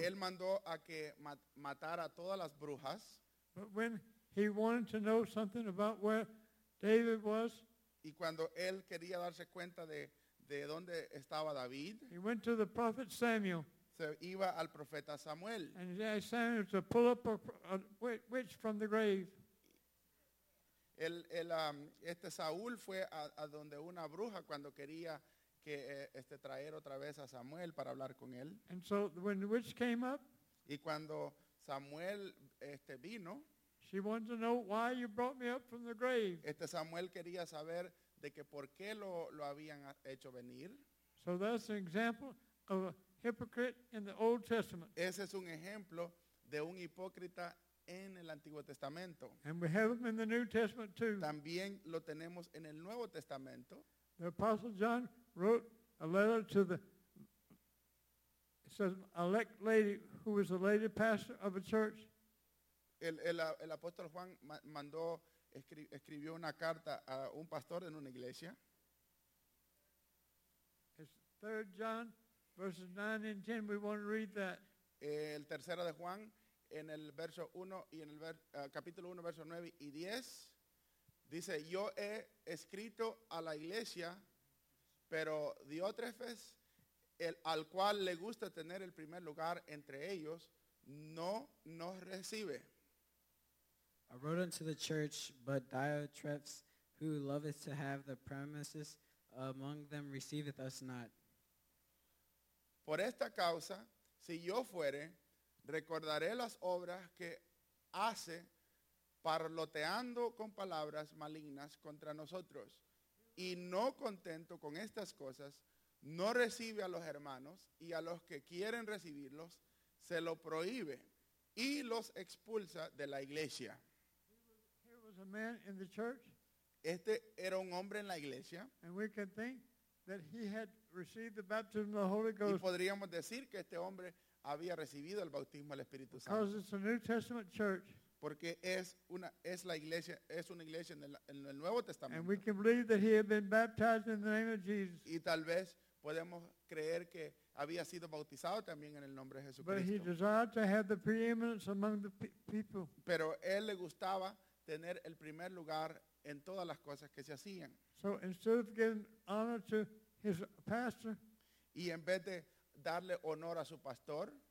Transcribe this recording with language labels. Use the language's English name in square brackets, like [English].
[Spanish] Él mandó a que matara a todas las brujas. [English] But when he wanted to know something about where David was, [Spanish] y cuando él quería darse cuenta de dónde estaba David, [English] he went to the prophet Samuel. [Spanish] Se iba al profeta Samuel. [English] And he asked Samuel to pull up a witch from the grave. [Spanish] Este Saúl fue a donde una bruja cuando quería que traer otra vez a Samuel para hablar con él. [English] And so when the witch came up, [Spanish] y cuando Samuel vino, [English] she wanted to know why you brought me up from the grave. [Spanish] Samuel quería saber de que por qué lo habían hecho venir. [English] So that's an example of a hypocrite in the Old Testament. [Spanish] Ese es un ejemplo de un hipócrita en el Antiguo Testamento. [English] And we have them in the New Testament too. [Spanish] También lo tenemos en el Nuevo Testamento. [English] The Apostle John wrote a letter to the elect lady who was the lady pastor of a church. [Spanish] El apóstol Juan mandó escribió una carta a un pastor en una iglesia. [English] It's 3 John verses 9 and 10. We want to read that. [Spanish] El tercero de Juan en el verso 1 y en el capítulo 1 verso 9 y 10 dice, yo he escrito a la iglesia, pero Diótrefes, al cual le gusta tener el primer lugar entre ellos, no nos recibe. [English] I wrote unto the church, but Diotrephes, who loveth to have the premises among them, receiveth us not. [Spanish] Por esta causa, si yo fuere, recordaré las obras que hace, parloteando con palabras malignas contra nosotros, y no contento con estas cosas, no recibe a los hermanos y a los que quieren recibirlos, se lo prohíbe y los expulsa de la iglesia. [English] Here was a man in the church. [Spanish] Este era un hombre en la iglesia. [English] And we can think that he had received the baptism of the Holy Ghost. [Spanish] Y podríamos decir que este hombre había recibido el bautismo del Espíritu Santo. [English] Because it's a New Testament church. [Spanish] Porque es la iglesia, es una iglesia en el Nuevo Testamento. [English] And we can believe that he had been baptized in the name of Jesus. [Spanish] Y tal vez podemos creer que había sido bautizado también en el nombre de Jesucristo. [English] But he desired to have the preeminence among the people. [Spanish] Pero él le gustaba tener el primer lugar en todas las cosas que se hacían. [English] So instead of giving honor to his pastor, [Spanish] y en vez de darle honor a su pastor,